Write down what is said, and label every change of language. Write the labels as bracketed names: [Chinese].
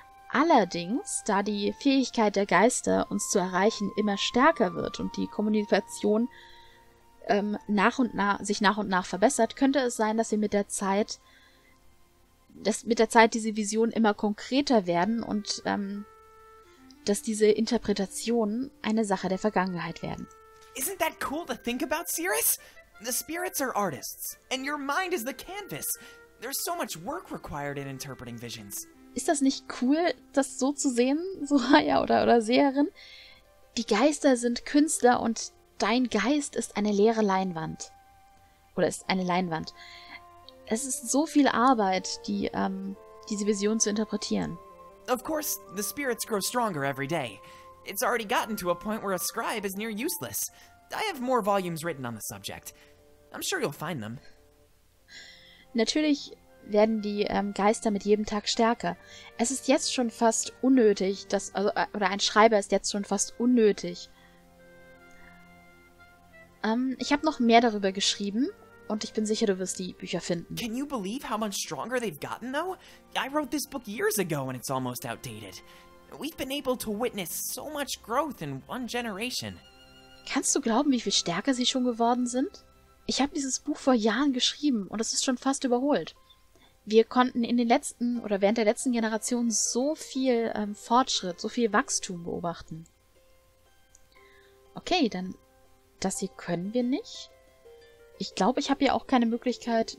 [German] Allerdings, da die Fähigkeit der Geister, uns zu erreichen, immer stärker wird und die Kommunikation sich nach und nach verbessert, könnte es sein, dass wir mit der Zeit diese Visionen immer konkreter werden und dass diese Interpretationen eine Sache der Vergangenheit werden. [English] Isn't that cool to think about, Cirrus? The spirits are artists, and your mind is the canvas. There's so much work required in interpreting visions. [German] Ist das nicht cool, das so zu sehen, Soraya oder Seherin? Die Geister sind Künstler und dein Geist ist eine leere Leinwand. Oder ist eine Leinwand. Es ist so viel Arbeit, diese Vision zu interpretieren. [English] Of course, the spirits grow stronger every day. It's already gotten to a point where a scribe is near useless. I have more volumes written on the subject. I'm sure you'll find them. [German] Natürlich werden die Geister mit jedem Tag stärker. Es ist jetzt schon fast unnötig, dass, also, oder ein Schreiber ist jetzt schon fast unnötig. Ich habe noch mehr darüber geschrieben und ich bin sicher, du wirst die Bücher finden. [English] Can you believe how much stronger they've gotten though? I wrote this book years ago and it's almost outdated. We've been able to witness so much growth in one generation. [German] Kannst du glauben, wie viel stärker sie schon geworden sind? Ich habe dieses Buch vor Jahren geschrieben und es ist schon fast überholt. Wir konnten in den letzten oder während der letzten Generation so viel Fortschritt, so viel Wachstum beobachten. Okay, dann das hier können wir nicht. Ich glaube, ich habe hier auch keine Möglichkeit.